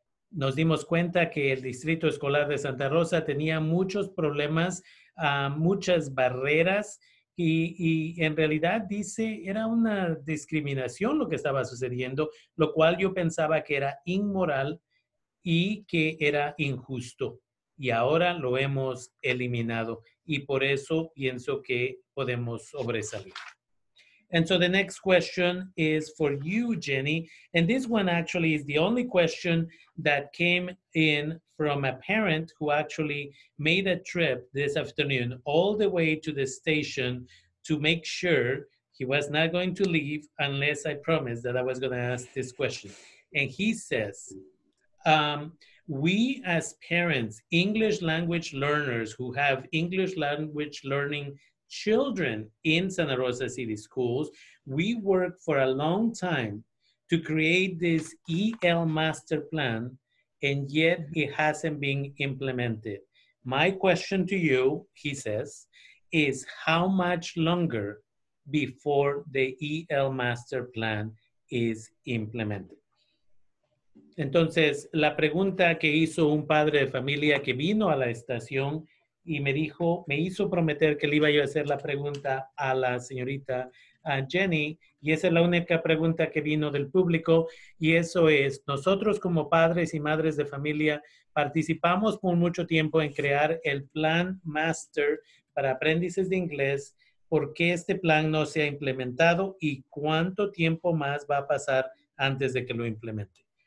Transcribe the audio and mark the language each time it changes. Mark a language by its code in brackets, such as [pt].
[es] nos dimos cuenta que el Distrito Escolar de Santa Rosa tenía muchos problemas, muchas barreras, y en realidad dice, era una discriminación lo que estaba sucediendo, lo cual yo pensaba que era inmoral y que era injusto. Y ahora lo hemos eliminado, y por eso pienso que podemos sobresalir. [en] And so the next question is for you, Jenny. And this one actually is the only question that came in from a parent who actually made a trip this afternoon all the way to the station to make sure he was not going to leave unless I promised that I was going to ask this question. And he says, we as parents, English language learners who have English language learning children in Santa Rosa City Schools, we worked for a long time to create this EL master plan, and yet it hasn't been implemented. My question to you, he says, is how much longer before the EL master plan is implemented? [es] Entonces, la pregunta que hizo un padre de familia que vino a la estación y me dijo, me hizo prometer que le iba yo a hacer la pregunta a la señorita Jenny, y esa es la única pregunta que vino del público, y eso es, nosotros como padres y madres de familia participamos por mucho tiempo en crear el plan master para aprendices de inglés, ¿por qué este plan no se ha implementado y cuánto tiempo más va a pasar antes de que lo implemente?